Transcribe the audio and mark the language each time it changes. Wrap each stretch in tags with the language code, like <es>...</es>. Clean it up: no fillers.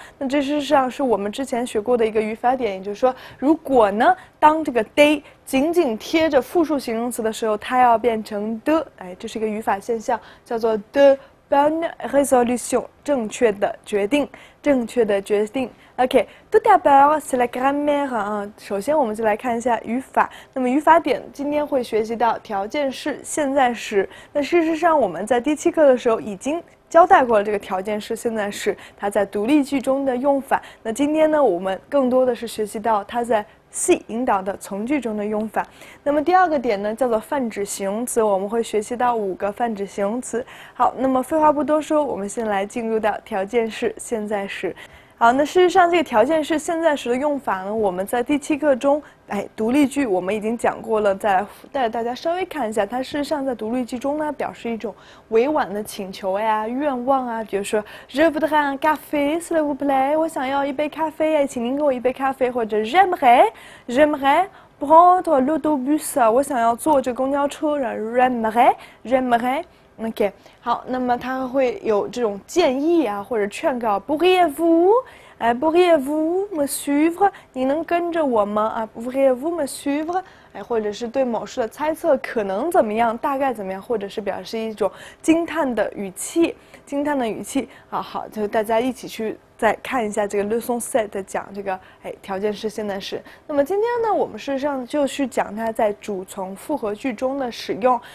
<zh>那这事实上是我们之前学过的一个语法点，也就是说，如果呢，当这个 de 紧紧贴着复数形容词的时候，它要变成 de， 哎，这是一个语法现象，叫做</zh> <fr>de bonne résolution，</fr> <zh>正确的决定，正确的决定。</zh> <fr>OK, tout d'abord, c'est la grammaire.</fr> <zh>首先我们就来看一下语法。那么语法点今天会学习到条件式、现在时。那事实上我们在第7课的时候已经交代过了这个条件式、现在时它在独立句中的用法。那今天呢我们更多的是学习到它在 C 引导的从句中的用法。那么第2个点呢叫做泛指形容词，我们会学习到5个泛指形容词。好，那么废话不多说，我们先来进入到条件式、现在时。好，那事实上这个条件式现在时的用法呢，我们在第7课中，哎，独立句我们已经讲过了，再来带着大家稍微看一下，它事实上在独立句中呢，表示一种委婉的请求呀、愿望啊，比如说</zh> <fr>Je voudrais un café, s'il vous plaît，</fr> <zh>我想要一杯咖啡，哎，请您给我一杯咖啡，或者</zh> <fr>J'aimerais prendre l'autobus，</fr> <zh>我想要坐这公交车 ，</zh> <fr>J'aimerais。</fr> <zh>OK， 好，那么它会有这种建议啊，或者劝告。</zh> <fr>Pourriez-vous me suivre？</fr> <zh>你能跟着我吗？</zh> <fr>啊 ，Pourriez-vous me suivre？</fr> <zh>哎，或者是对某事的猜测，可能怎么样，大概怎么样，或者是表示一种惊叹的语气，惊叹的语气。好好，就大家一起去再看一下这个 leçon 7的讲这个哎条件式、现在时。那么今天呢，我们事实上就去讲它在主从复合句中的使用。</zh>